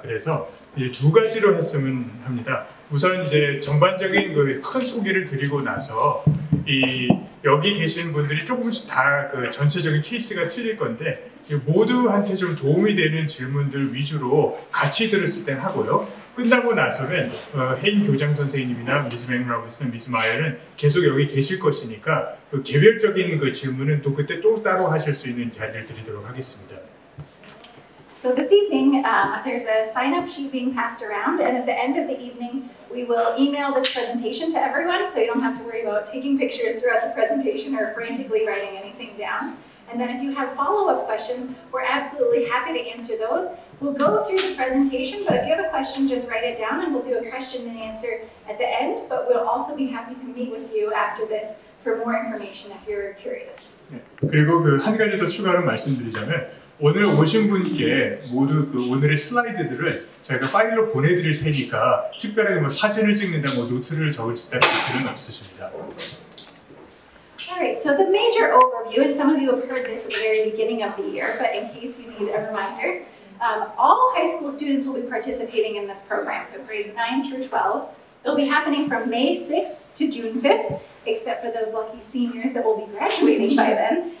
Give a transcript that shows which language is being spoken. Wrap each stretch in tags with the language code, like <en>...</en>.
<ko>그래서 이제 두 가지로 했으면 합니다. 우선 이제 전반적인 그 큰 소개를 드리고 나서 이 여기 계신 분들이 조금씩 다 그 전체적인 케이스가 틀릴 건데 모두한테 좀 도움이 되는 질문들 위주로 같이 들었을 땐 하고요. 끝나고 나서는 해인 교장 선생님이나 미스 맥라버스, 미스 마이어는 계속 여기 계실 것이니까 그 개별적인 그 질문은 또 그때 또 따로 하실 수 있는 자리를 드리도록 하겠습니다.</ko> <en>So this evening, there's a sign-up sheet being passed around, and at the end of the evening, we will email this presentation to everyone, so you don't have to worry about taking pictures throughout the presentation or frantically writing anything down. And then if you have follow-up questions, we're absolutely happy to answer those. We'll go through the presentation, but if you have a question, just write it down, and we'll do a question and answer at the end, but we'll also be happy to meet with you after this for more information if you're curious.</en> <ko>그리고 그 한 가지 더 추가로 말씀드리자면, 오늘 오신 분께 모두 그 오늘의 슬라이드들을 저희가 파일로 보내드릴 테니까 특별하게 뭐 사진을 찍는다, 뭐 노트를 적을 수 있다는 기회는 없으십니다.</ko> <en>Alright, so the major overview, and some of you have heard this at the very beginning of the year, but in case you need a reminder, all high school students will be participating in this program, so grades 9 through 12. It'll be happening from May 6th to June 5th, except for those lucky seniors that will be graduating by then.</en>